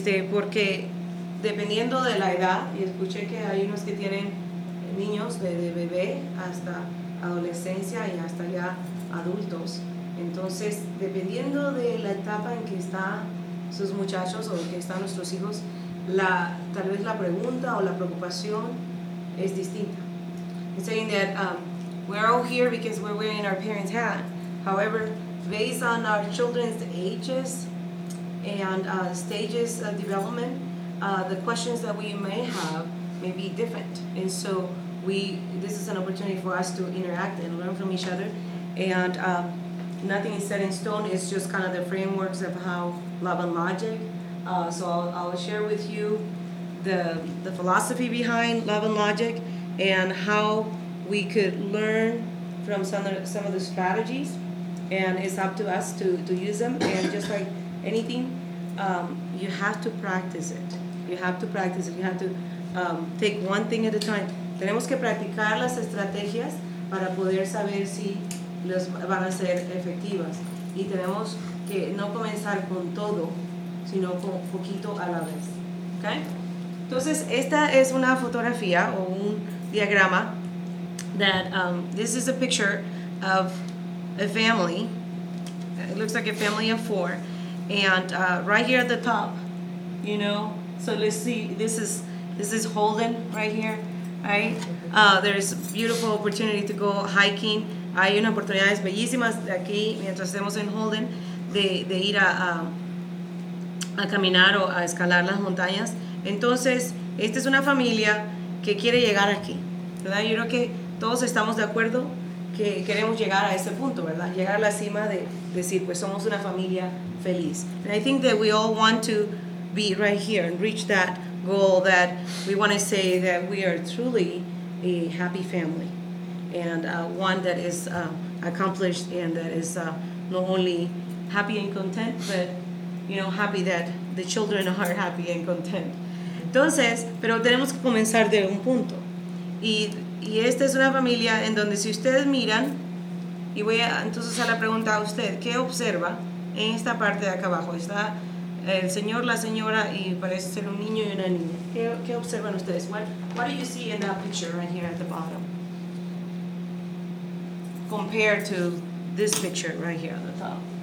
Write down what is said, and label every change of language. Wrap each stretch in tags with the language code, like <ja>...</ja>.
<es>Porque dependiendo de la edad, y escuché que hay unos que tienen niños de bebé hasta adolescencia y hasta ya adultos. Entonces, dependiendo de la etapa en que están sus muchachos o que están nuestros hijos, tal vez la pregunta o la preocupación es distinta.</es> <en>It's saying that we're all here because we're wearing our parents' hat. However, based on our children's ages and stages of development, the questions that we may have may be different. And so this is an opportunity for us to interact and learn from each other. And nothing is set in stone. It's just kind of the frameworks of how love and logic. So I'll share with you the philosophy behind love and logic and how we could learn from some of the strategies, and it's up to us to use them. And just like anything, you have to practice it. You have to practice it. You have to take one thing at a time.</en> <es>Tenemos que practicar las estrategias para poder saber si las van a ser efectivas. Y tenemos que no comenzar con todo, sino poquito a la vez. Okay? Entonces, esta es una fotografía o un diagrama.</es> <en>This is a picture of a family. It looks like a family of four. And right here at the top, you know, so let's see, this is Holden right here, right? There's beautiful opportunity to go hiking.</en> <es>Hay una oportunidad bellísima aquí, mientras estemos en Holden, de ir a caminar o a escalar las montañas. Entonces, esta es una familia que quiere llegar aquí, ¿verdad? Yo creo que todos estamos de acuerdo que queremos llegar a ese punto, ¿verdad? Llegar a la cima de decir, pues somos una familia feliz.</es> <en>And I think that we all want to be right here and reach that goal, that we want to say that we are truly a happy family, and one that is accomplished, and that is not only happy and content, but, you know, happy that the children are happy and content.</en> <es>Entonces, pero tenemos que comenzar de un punto. Y esta es una familia en donde, si ustedes miran, y voy a entonces hacer la pregunta a usted, ¿qué observa en esta parte de acá abajo? Está el señor, la señora, y parece ser un niño y una niña. ¿Qué observan ustedes?</es> <en>What do you see in that picture right here at the bottom? Compared to this picture right here at the top.</en>